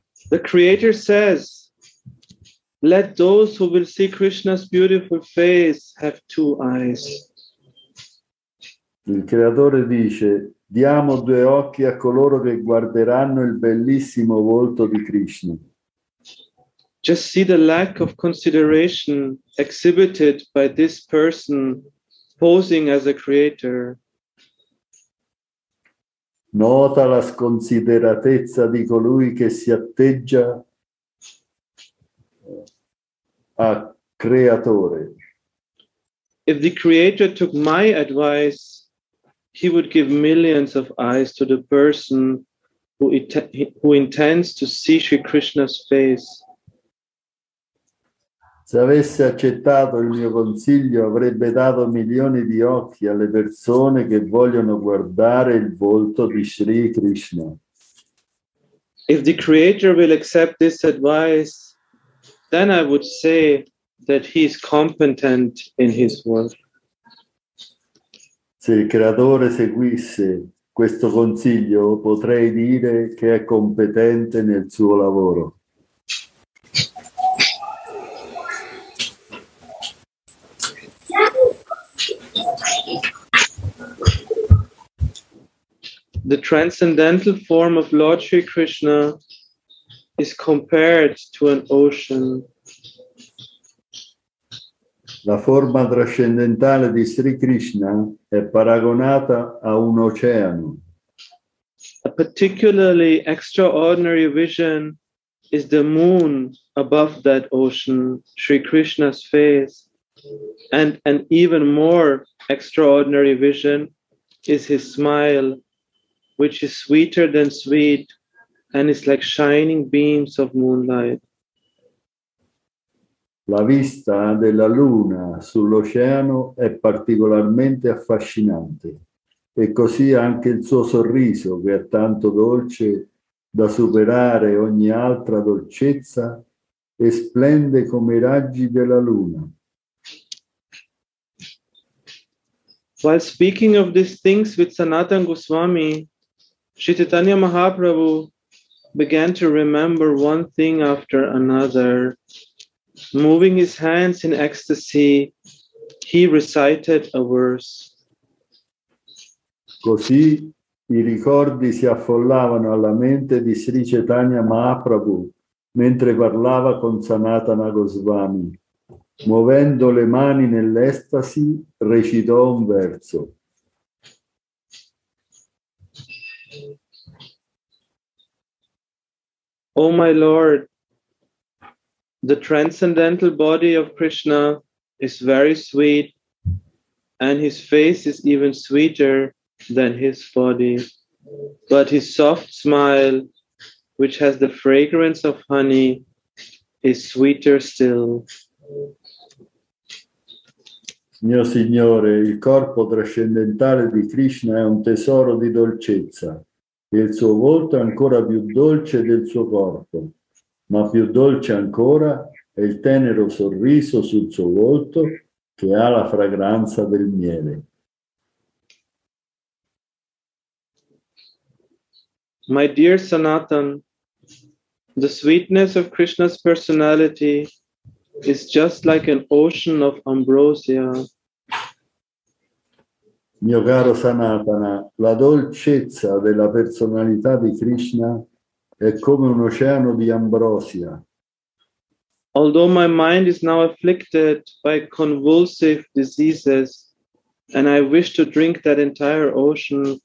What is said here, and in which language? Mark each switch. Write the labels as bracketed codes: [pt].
[en] The Creator says, let those who will see Krishna's beautiful face have two eyes. [it] Il Creatore dice, diamo due occhi a coloro che guarderanno il bellissimo volto di Krishna. [en] Just see the lack of consideration exhibited by this person posing as a creator. [it] Nota la sconsideratezza di colui che si atteggia a creatore. [en] If the Creator took my advice, he would give millions of eyes to the person who intends to see Sri Krishna's face. [it] Se avesse accettato il mio consiglio, avrebbe dato milioni di occhi alle persone che vogliono guardare il volto di Sri Krishna. [en] If the Creator will accept this advice, then I would say that he is competent in his work. [it] Se il Creatore seguisse questo consiglio, potrei dire che è competente nel suo lavoro. [en] The transcendental form of Lord Sri Krishna is compared to an ocean. [it] La forma trascendentale di Sri Krishna è paragonata a un oceano. [en] A particularly extraordinary vision is the moon above that ocean, Sri Krishna's face, and an even more extraordinary vision is his smile, which is sweeter than sweet and is like shining beams of moonlight. [it] La vista della luna sull'oceano è particolarmente affascinante, e così anche il suo sorriso, che è tanto dolce da superare ogni altra dolcezza, e splende come i raggi della luna. [en] While speaking of these things with Sanatana Goswami, Sri Chaitanya Mahaprabhu began to remember one thing after another. Moving his hands in ecstasy, he recited a verse. [it] Così i ricordi si affollavano alla mente di Sri Chaitanya Mahaprabhu mentre parlava con Sanatana Goswami. Muovendo le mani nell'estasi, recitò un verso. [en] O my Lord, the transcendental body of Krishna is very sweet, and his face is even sweeter than his body. But his soft smile, which has the fragrance of honey, is sweeter still. [it] Mio Signore, il corpo trascendentale di Krishna è un tesoro di dolcezza, e il suo volto è ancora più dolce del suo corpo, ma più dolce ancora è il tenero sorriso sul suo volto che ha la fragranza del miele. [en] My dear Sanatan, the sweetness of Krishna's personality is just like an ocean of ambrosia. [it] Mio caro Sanatana, la dolcezza della personalità di Krishna è come un oceano di ambrosia. [en] Although my mind is now afflicted by convulsive diseases and I wish to drink that entire ocean.